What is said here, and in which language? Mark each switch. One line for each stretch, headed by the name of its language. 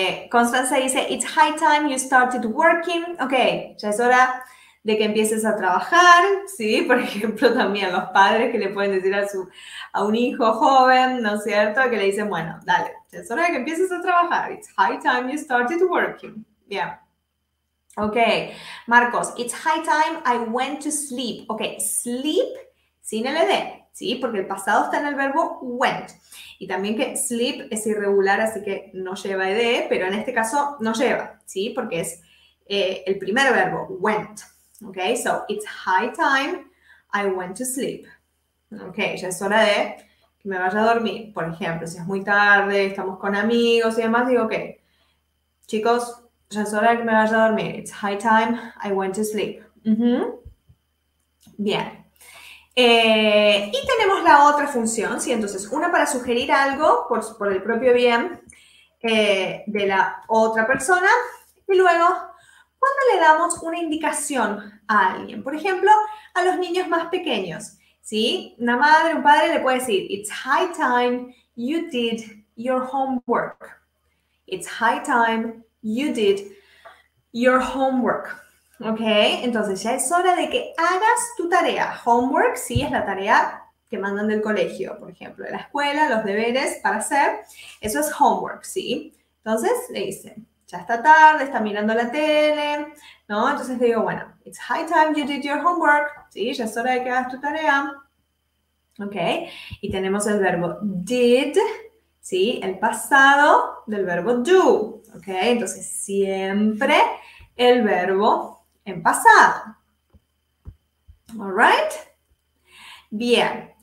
Spanish: Constanza dice,
English: it's high time you started working.
Spanish: Ok, ya es hora de que empieces a trabajar, ¿sí? Por ejemplo, también los padres que le pueden decir a un hijo joven, ¿no es cierto? Que le dicen, bueno, dale, ya es hora de que empieces a trabajar.
English: It's high time you started working. Yeah. Ok, Marcos, it's high time I went to sleep.
Spanish: Ok, sleep sin el ED, ¿sí? Porque el pasado está en el verbo went. Y también que sleep es irregular, así que no lleva ED, pero en este caso no lleva, ¿sí? Porque es el primer verbo, went. ¿Ok?
English: So, it's high time I went to sleep. ¿Ok?
Spanish: Ya es hora de que me vaya a dormir. Por ejemplo, si es muy tarde, estamos con amigos y demás, digo, ok, chicos, ya es hora de que me vaya a dormir.
English: It's high time I went to sleep.
Spanish: Bien. Y tenemos la otra función, ¿sí? Entonces, una para sugerir algo por el propio bien de la otra persona y luego cuando le damos una indicación a alguien, por ejemplo, a los niños más pequeños, ¿sí? Una madre, un padre le puede decir,
English: it's high time you did your homework. It's high time you did your homework. ¿Ok?
Spanish: Entonces ya es hora de que hagas tu tarea. Homework, sí, es la tarea que mandan del colegio, por ejemplo, de la escuela, los deberes para hacer. Eso es homework, ¿sí? Entonces le dicen, ya está tarde, está mirando la tele, ¿no? Entonces le digo, bueno,
English: it's high time you did your homework.
Spanish: Sí, ya es hora de que hagas tu tarea. ¿Ok? Y tenemos el verbo did, ¿sí? El pasado del verbo do. ¿Ok? Entonces siempre el verbo en pasado. ¿Alright? Bien.